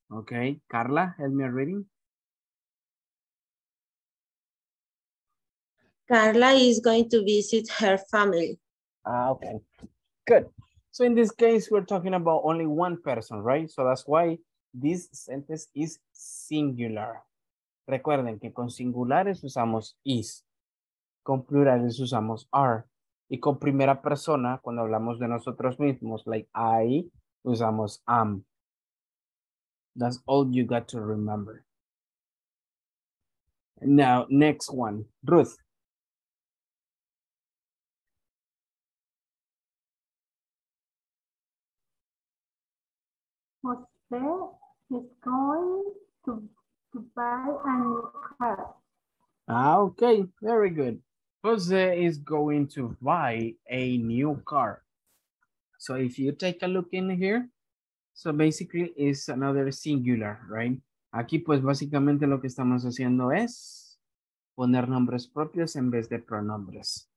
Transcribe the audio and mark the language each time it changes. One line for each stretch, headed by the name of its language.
English: Okay. Carla, help me reading. Carla is going to visit her family. Ah, okay. Good. So in this case, we're talking about only one person, right? So that's why this sentence is singular.
Spanish: Recuerden que con singulares usamos is, con plurales usamos are, y con primera persona, cuando hablamos de nosotros mismos,
English: like I,
Spanish: usamos am.
English: That's all you got to remember. Now, next one, Ruth. José is going to buy a new car. Ah, okay, very good. José is going to buy a new car. So if you take a look in here, so basically it's another singular, right?
Spanish: Aquí pues básicamente lo que estamos haciendo es poner nombres propios en vez de pronombres.